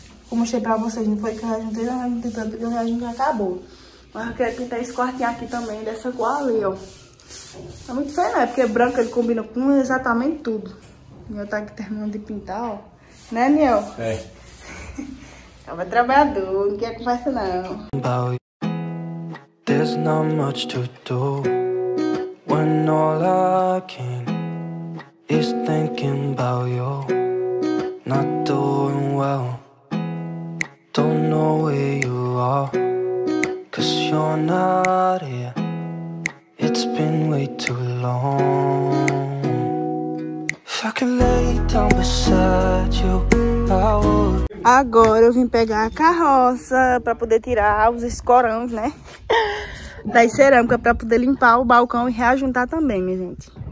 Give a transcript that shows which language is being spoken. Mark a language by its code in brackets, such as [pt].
[pt] Eu mostrei pra vocês, não foi que a gente não tem tanto, porque a gente acabou. Mas eu queria pintar esse quartinho aqui também, dessa cor ali, ó. Tá muito feio, né? Porque branco ele combina com exatamente tudo. Eu tá aqui terminando de pintar, ó. Né, Niel? É. Tava trabalhador, não quer conversa, não. [en] Bye. There's not much to do when all I can is thinking about you. Not doing well, don't know where you are, 'cause you're not here. It's been way too long. If I could lay down beside you, I would. [pt] Agora eu vim pegar a carroça pra poder tirar os escorões, né? Da cerâmica pra poder limpar o balcão e reajuntar também, minha gente.